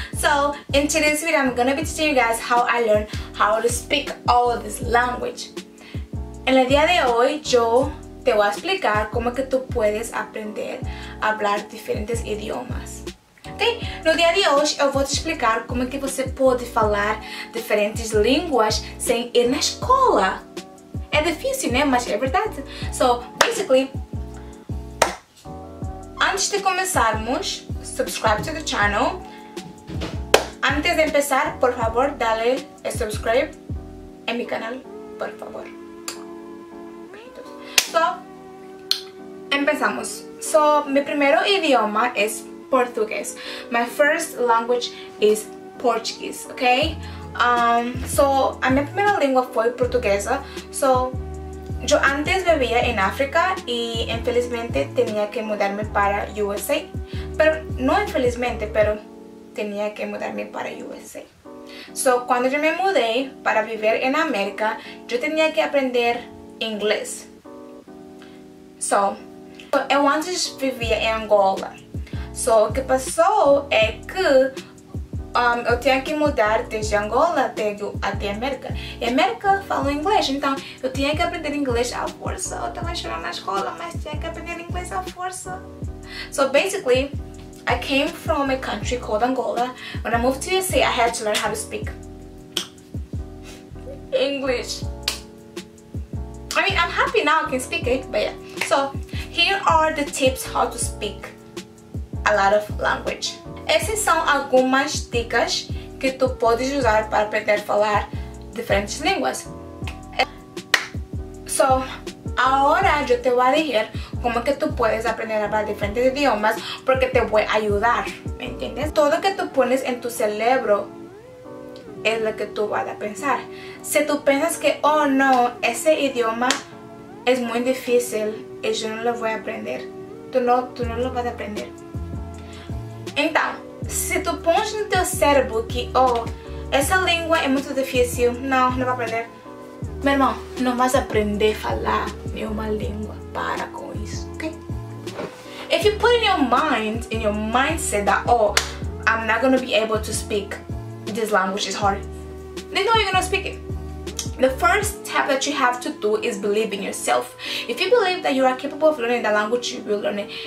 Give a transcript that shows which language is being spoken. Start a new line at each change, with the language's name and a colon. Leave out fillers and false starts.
English: So, in today's video, I'm gonna be teaching you guys how I learned how to speak all of this language.
Spanish: En el día de hoy, yo te voy a explicar cómo que tú puedes aprender a hablar diferentes idiomas.
English: Ok?
Portuguese: No dia de hoje, eu vou te explicar como é que você pode falar diferentes línguas sem ir na escola. É difícil, né? Mas é verdade.
English: So, basically,
Portuguese: antes de começarmos,
English: subscribe to the channel.
Spanish: Antes de começar, por favor, dale subscribe em meu canal, por favor. So, empezamos. So, mi primer idioma es portugués.
English: My first language is Portuguese, okay?
Spanish: So, mi primera lengua fue portuguesa. So, yo antes vivía en África y infelizmente tenía que mudarme para USA. Pero, no infelizmente, pero tenía que mudarme para USA. So, cuando yo me mudé para vivir en América, yo tenía que aprender inglés.
Portuguese: So, eu antes
Spanish: vivía en
Portuguese: Angola. So, o que passou é que eu tinha que mudar desde Angola até América. E América fala inglês, então eu tinha que aprender inglês à força. Eu estava chorando na escola, mas tinha que aprender inglês à força.
English: So, basically, I came from a country called Angola. When I moved to USA, I had to learn how to speak English. I mean, I'm happy now I can speak it, but yeah. So, here are the tips how to speak a lot of language.
Portuguese: Essas são algumas dicas que tu podes usar para aprender a falar diferentes línguas.
Spanish: So,
Portuguese: agora eu te vou dizer como que
Spanish: tu puedes aprender a hablar diferentes idiomas porque te voy a ayudar, ¿me entiendes? Todo que tu pones en tu cerebro es lo que tu vas a pensar. Si tu piensas que, oh no, ese idioma es muy difícil y yo no lo voy a aprender, tú no lo vas a aprender.
Portuguese: Então, se tu pões no teu cérebro que, oh, essa língua é muito difícil, não, não vai aprender. Meu irmão, não vais aprender a falar nenhuma língua. Para com isso, ok?
English: If you put in your mindset that, oh, I'm not gonna be able to speak this language, it's hard. Then no, you're gonna speak it. The first step that you have to do is believe in yourself. If you believe that you are capable of learning the language, you will learn it.